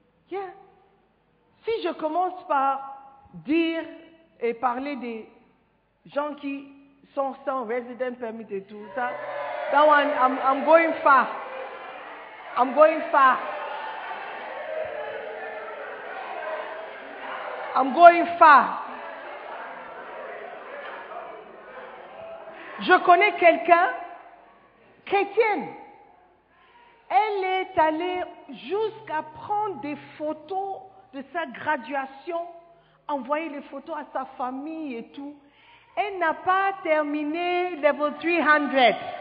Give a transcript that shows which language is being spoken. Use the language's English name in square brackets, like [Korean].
[French] Yeah. Si je commence par dire et parler des gens qui sont sans resident permit et tout ça, [English] that one, I'm going far. I'm going far. I'm going far. [French] Je connais quelqu'un, chrétienne. Elle est allée jusqu'à prendre des photos de sa graduation, envoyer les photos à sa famille et tout. Elle n'a pas terminé level 300.